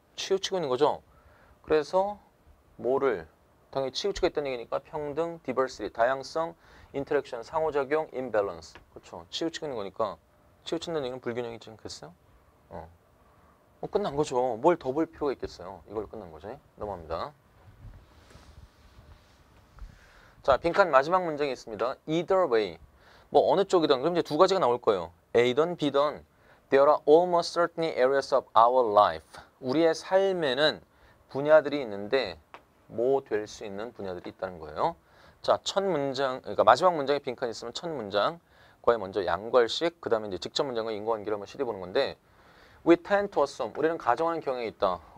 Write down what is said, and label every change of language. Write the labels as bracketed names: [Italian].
[Korean] 치우치고 있는 거죠. 그래서 뭐를 당연히 치우치고 있다는 얘기니까 평등, diversity, 다양성, interaction, 상호작용, imbalance. 그렇죠. 치우치고 있는 거니까 치우친다는 얘기는 불균형이지 않겠어요? 끝난 거죠. 뭘 더 볼 필요가 있겠어요. 이걸로 끝난 거죠. 넘어갑니다. 자, 빈칸 마지막 문장이 있습니다. [English] Either way. [Korean] 뭐 어느 쪽이든 그럼 이제 두 가지가 나올 거예요. A든 B든 [English] There are almost certainly areas of our life. [Korean] 우리의 삶에는 분야들이 있는데 뭐 될 수 있는 분야들이 있다는 거예요. 자, 첫 문장, 그러니까 마지막 문장에 빈칸이 있으면 첫 문장 과에 먼저 양괄식, 그 다음에 이제 직접 문장과 인과관계를 한번 시리보는 건데 [English] We tend to assume, [Korean] 우리는 가정하는 경향이 있다.